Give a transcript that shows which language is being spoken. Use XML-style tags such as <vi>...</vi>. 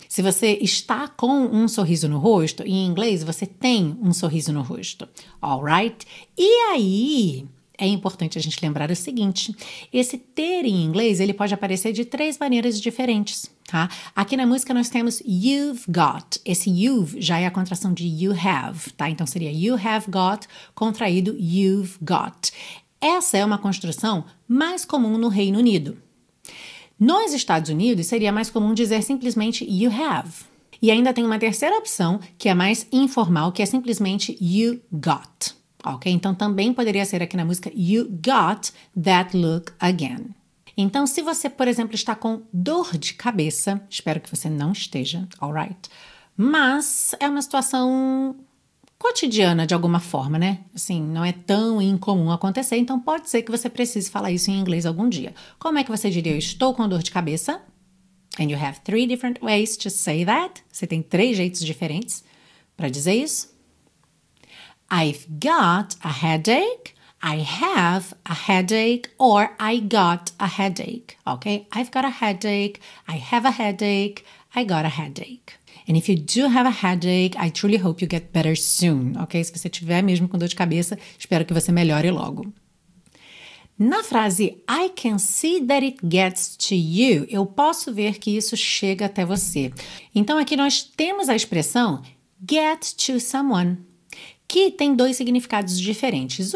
<pt>Se você está com um sorriso no rosto, em inglês você tem um sorriso no rosto, alright? E aí, é importante a gente lembrar o seguinte, esse ter em inglês, ele pode aparecer de três maneiras diferentes, tá? Aqui na música nós temos you've got. Esse you've já é a contração de you have, tá? Então seria you have got contraído you've got. Essa é uma construção mais comum no Reino Unido. Nos Estados Unidos seria mais comum dizer simplesmente you have. E ainda tem uma terceira opção que é mais informal, que é simplesmente you got, ok? Então também poderia ser aqui na música</pt> <en>you got that look again.</en> <pt>Então, se você, por exemplo, está com dor de cabeça, espero que você não esteja, alright? Mas é uma situação cotidiana de alguma forma, né? Assim, não é tão incomum acontecer, então pode ser que você precise falar isso em inglês algum dia. Como é que você diria, eu estou com dor de cabeça?</pt> <en>And you have three different ways to say that.</en> <pt>Você tem três jeitos diferentes para dizer isso.</pt> <en>I've got a headache. I have a headache or I got a headache, ok? I've got a headache, I have a headache, I got a headache. And if you do have a headache, I truly hope you get better soon, ok?</en> <pt>Se você tiver mesmo com dor de cabeça, espero que você melhore logo. Na frase,</pt> <en>I can see that it gets to you,</en> <pt>eu posso ver que isso chega até você. Então aqui nós temos a expressão get to someone, que tem dois significados diferentes.</pt>